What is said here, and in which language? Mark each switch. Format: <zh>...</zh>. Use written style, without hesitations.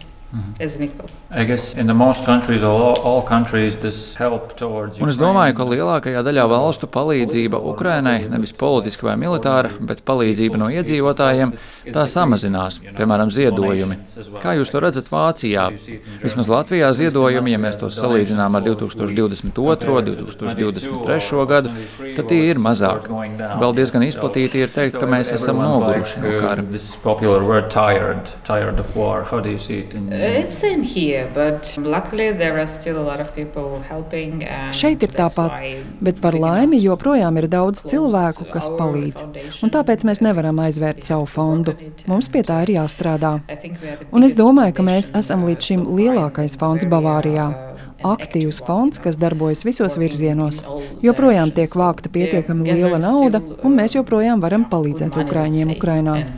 <en>I guess in the most countries or all countries this help towards</en> <lv>Un es domāju, ka lielākajā daļā valstu palīdzība Ukrainai, nevis politiski vai militāra, bet palīdzība no iedzīvotājiem, tā samazinās, piemēram, ziedojumi. Kā jūs to redzat Vācijā? Vismaz Latvijā ziedojumi, ja mēs tos salīdzinām ar 2022. 2023. Gadu, tad tie ir mazāk. Vēl diezgan izplatīti ir teikt, ka mēs esam noguruši no kara.</lv> <en>This popular word tired of war. How do you see it? It's same here, but luckily there are still a lot of people helping and</en> <lv>Šeit ir tāpat, bet par laimi joprojām ir daudz cilvēku, kas palīdz. Un tāpēc mēs nevaram aizvērt savu fondu. Mums pie tā ir jāstrādā. Un es domāju, ka mēs esam līdz šim lielākais fonds Bavārijā. Aktīvs fonds, kas darbojas visos virzienos. Joprojām tiek vākta pietiekami liela nauda, un mēs joprojām varam palīdzēt ukraiņiem Ukrainā.</lv>